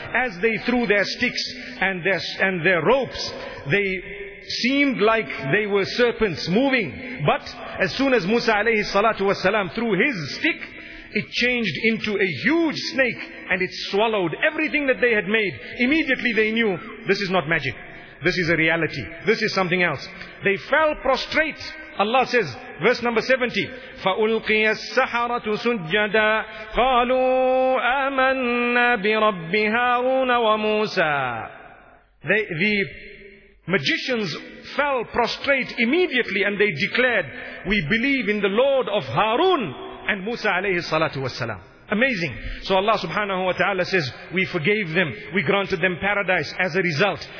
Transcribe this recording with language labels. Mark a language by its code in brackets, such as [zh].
[en] As they threw their sticks and their ropes, they seemed like they were serpents moving. But as soon as Musa alayhi salatu wasalam threw his stick, it changed into a huge snake and it swallowed everything that they had made. Immediately they knew, this is not magic. This is a reality. This is something else. They fell prostrate. Allah says, verse number 70, [ar] فَأُلْقِيَ السَّحَرَةُ سُجَّدًا قَالُوا آمَنَّا بِرَبِّ هَارُونَ وَمُوسَى. [en] The magicians fell prostrate immediately and they declared, we believe in the Lord of Harun and Musa alayhi salatu wasalam. Amazing. So Allah subhanahu wa ta'ala says, we forgave them, we granted them paradise as a result.